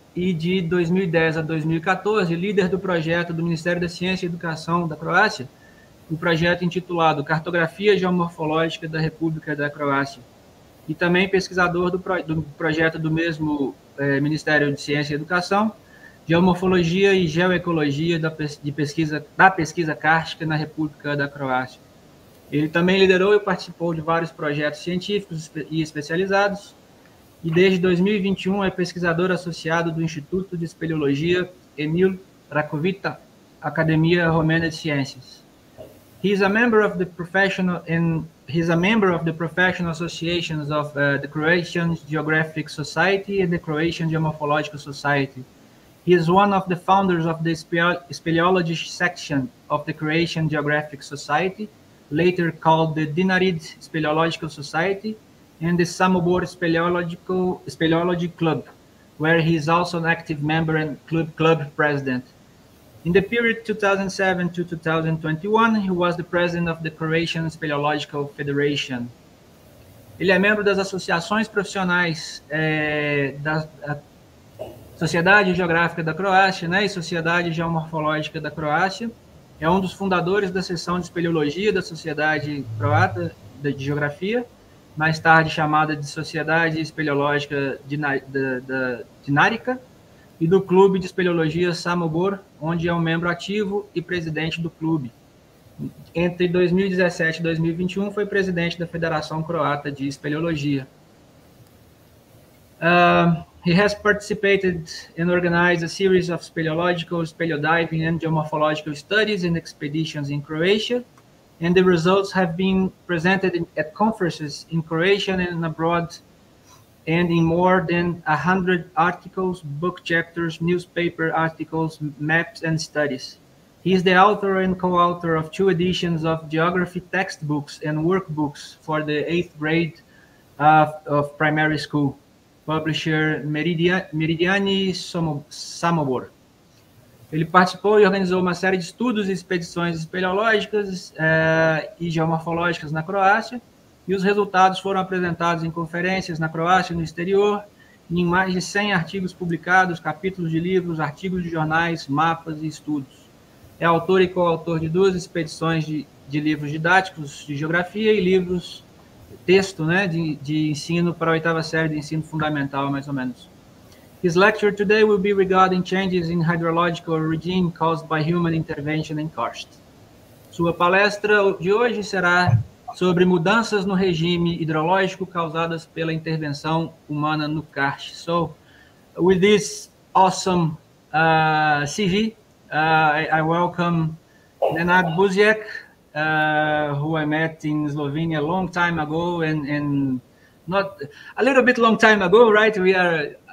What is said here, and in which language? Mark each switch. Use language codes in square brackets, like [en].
[pt] e de 2010 a 2014, líder do projeto do Ministério da Ciência e Educação da Croácia, o projeto intitulado Cartografia Geomorfológica da República da Croácia, e também pesquisador do projeto do mesmo Ministério de Ciência e Educação, Geomorfologia e Geoecologia da pesquisa kárstica na República da Croácia. Ele também liderou e participou de vários projetos científicos e especializados, e desde 2021 é pesquisador associado do Instituto de Espeleologia Emil Racovita, Academia Romena de Ciências. [en] He is a member of the professional associations of the Croatian Geographic Society and the Croatian Geomorphological Society. He is one of the founders of the Speleology section of the Croatian Geographic Society, later called the Dinarid Speleological Society and the Samobor Speleology Club, where he is also an active member and club president. In the period 2007 to 2021, he was the president of the Croatian Speleological Federation. [pt] Ele é membro das associações profissionais da Sociedade Geográfica da Croácia, né, e Sociedade Geomorfológica da Croácia. É um dos fundadores da seção de Speleologia da Sociedade Croata de Geografia, mais tarde chamada de Sociedade Speleológica Dinárica, e do Clube de Speleologia Samobor, onde é um membro ativo e presidente do clube. Entre 2017 e 2021, foi presidente da Federação Croata de Speleologia. [en] He has participated and organized a series of speleological, spelediving, and geomorphological studies and expeditions in Croatia, and the results have been presented at conferences in Croatia and abroad, and in more than 100 articles, book chapters, newspaper articles, maps, and studies. He is the author and co-author of two editions of geography textbooks and workbooks for the eighth grade of primary school, publisher Meridiani Samobor. [pt] Ele participou e organizou uma série de estudos e expedições espeleológicas e geomorfológicas na Croácia, e os resultados foram apresentados em conferências na Croácia e no exterior, em mais de 100 artigos publicados, capítulos de livros, artigos de jornais, mapas e estudos. É autor e coautor de duas expedições de livros didáticos de geografia e livros texto, né, de ensino para a oitava série de ensino fundamental, mais ou menos. [en] His lecture today will be regarding changes in hydrological regime caused by human intervention and karst. [pt] Sua palestra de hoje será sobre mudanças no regime hidrológico causadas pela intervenção humana no karst. [en] So, with this awesome CV, I welcome Nenad Buziak, who I met in Slovenia a long time ago, and not a little bit long time ago, right? We are